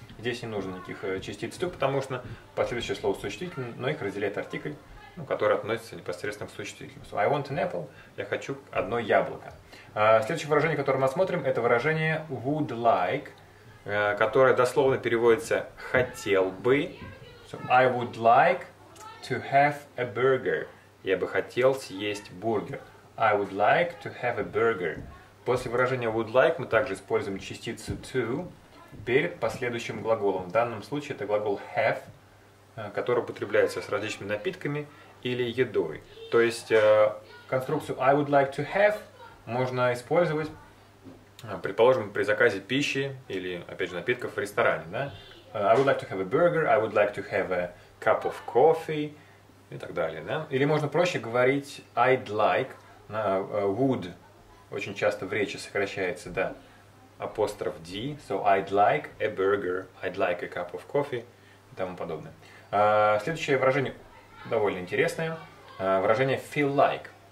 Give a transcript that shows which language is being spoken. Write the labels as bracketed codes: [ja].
[ru] Здесь не нужно никаких частиц to, потому что последующее слово существительное, но их разделяет артикль, ну, который относится непосредственно к существительному. [en] So, I want an apple. [ru] Я хочу одно яблоко. Следующее выражение, которое мы осмотрим, это выражение would like, которое дословно переводится хотел бы. [en] So, I would like to have a burger. [ru] Я бы хотел съесть бургер. [en] I would like to have a burger. [ru] После выражения would like мы также используем частицу to перед последующим глаголом. В данном случае это глагол have, который употребляется с различными напитками или едой. То есть конструкцию [en] I would like to have [ru] можно использовать, предположим, при заказе пищи или, опять же, напитков в ресторане. Да? [en] I would like to have a burger, I would like to have a cup of coffee [ru] и так далее. Да? Или можно проще говорить [en] I'd like, would. [ru] Очень часто в речи сокращается, да, апостроф D. [en] So, I'd like a burger, I'd like a cup of coffee [ru] и тому подобное. Следующее выражение довольно интересное. Выражение feel like.